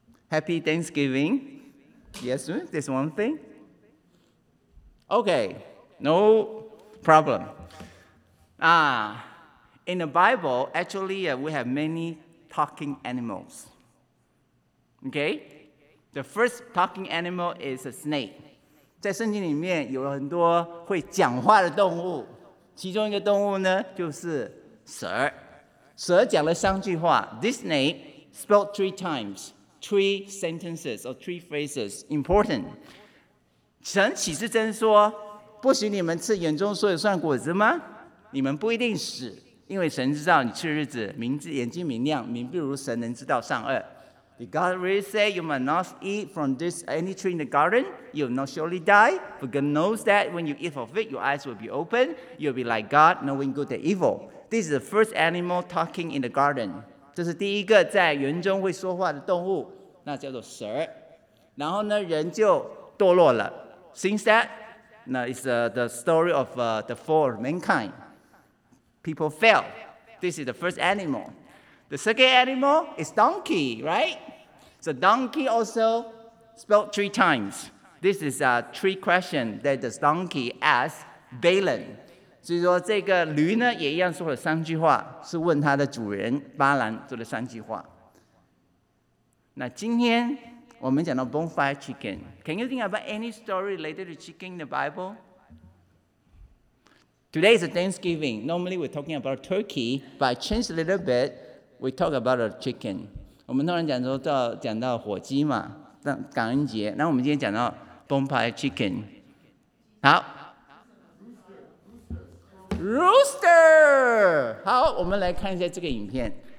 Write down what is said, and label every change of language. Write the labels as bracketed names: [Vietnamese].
[English] Happy Thanksgiving. Yes, there's one thing. Okay, no problem. In the Bible, actually, we have many talking animals. Okay? The first talking animal is a snake. [Chinese] 在圣经里面有很多会讲话的动物，其中一个动物呢就是蛇。蛇讲了三句话。 [English] This snake spoke three times, three sentences or three phrases. Important. [Chinese] 神岂是真说不许你们吃园中所有算果子吗？你们不一定死，因为神知道你吃日子，明知眼睛明亮，明不如神能知道善恶。 [English] Did God really say you must not eat from this any tree in the garden? You will not surely die. For God knows that when you eat of it, your eyes will be open. You will be like God, knowing good and evil. This is the first animal talking in the garden. [Chinese] 这是第一个在园中会说话的动物，那叫做蛇。然后呢，人就堕落了。 [English] Since that, now it's the story of the fall of mankind. People fell. This is the first animal. The second animal is donkey, right? So donkey also spoke three times. This is a three question that the donkey asked Balaam. [Chinese] 所以说这个驴呢也一样说了三句话，是问他的主人巴兰说了三句话。那今天我们讲到 [English] bonfire chicken. Can you think about any story related to chicken in the Bible? Today is Thanksgiving. Normally we're talking about turkey, but I changed a little bit. We talk about a chicken. [Chinese] 我们通常讲说到讲到火鸡嘛，感恩节。那我们今天讲到 [English] bonfire chicken. [Chinese] 好 ，rooster. 好，我们来看一下这个影片。